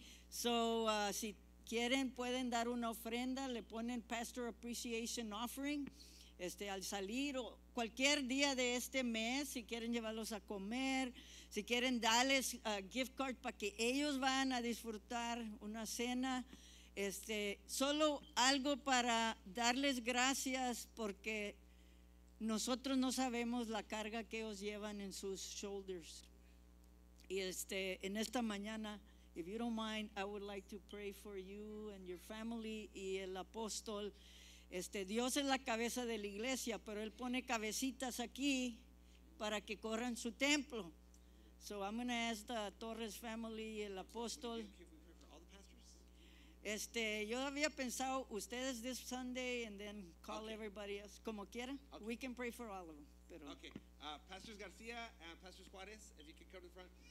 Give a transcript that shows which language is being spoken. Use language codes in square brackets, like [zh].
[es] So, si quieren pueden dar una ofrenda, le ponen Pastor Appreciation Offering al salir o cualquier día de este mes, si quieren llevarlos a comer, si quieren darles gift card para que ellos van a disfrutar una cena, solo algo para darles gracias porque nosotros no sabemos la carga que ellos llevan en sus shoulders. Y en esta mañana, [en] if you don't mind, I would like to pray for you and your family. [es] Y el apóstol, Dios es la cabeza de la iglesia, pero él pone cabecitas aquí para que corran su templo. [en] So I'm going to ask the Torres family, [es] el apóstol. Yo había pensado ustedes [en] this Sunday and then call everybody else. [es] Como quiera, [en] we can pray for all of them. [es] Pero. [en] Okay, Pastors García and Pastors Juarez, if you could come to the front.